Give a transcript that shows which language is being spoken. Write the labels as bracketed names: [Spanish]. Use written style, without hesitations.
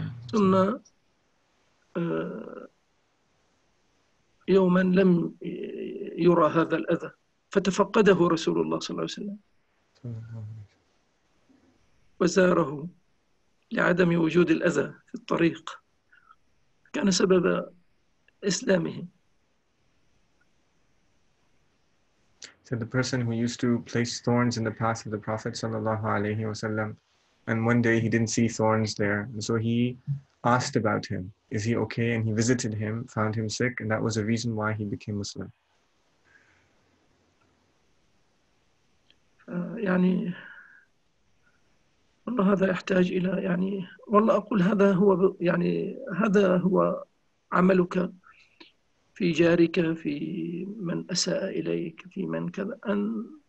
[Arabic] ثم يوما لم يرى هذا الأذى، فتفقده رسول الله صلى الله عليه وسلم. وزاره لعدم وجود الأذى في الطريق، كان سبب إسلامه. [English] So the person who used to place thorns in the path of the Prophet sallallahu alaihi wasallam, and one day he didn't see thorns there, so he asked about him, is he okay? And he visited him, found him sick, and that was a reason why he became Muslim. [Arabic] يعني والله هذا يحتاج إلى يعني والله أقول هذا هو يعني هذا هو عملك في جارك في من أساء إليك في من كذا أن